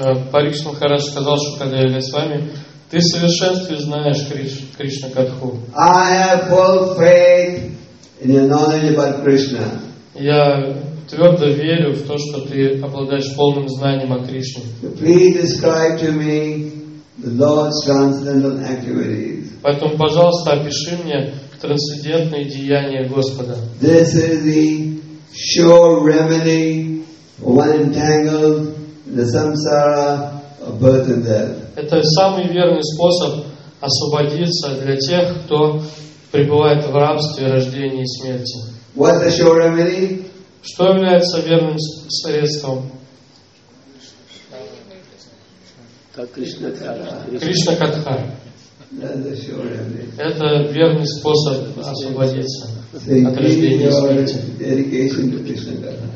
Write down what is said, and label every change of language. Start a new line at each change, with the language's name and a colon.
Russian: Парикс Махарадж сказал, что когда я с вами, ты в совершенстве знаешь Кришна Катху.
English: I have full faith in your knowledge about Krishna.
Russian: Я твердо верю в то, что ты обладаешь полным знанием о Кришне.
English: Please describe to me the Lord's transcendental activities.
Russian: Поэтому, пожалуйста, опиши мне трансцендентные деяния Господа.
English: This is the sure remedy for one entangled in the samsara of birth and death.
Russian: Это самый верный способ освободиться для тех, кто пребывает в рабстве рождения и смерти.
English: What is the sure remedy?
Russian: Что является верным средством? Кришна Катха. Это верный способ освободиться от рождения и смерти.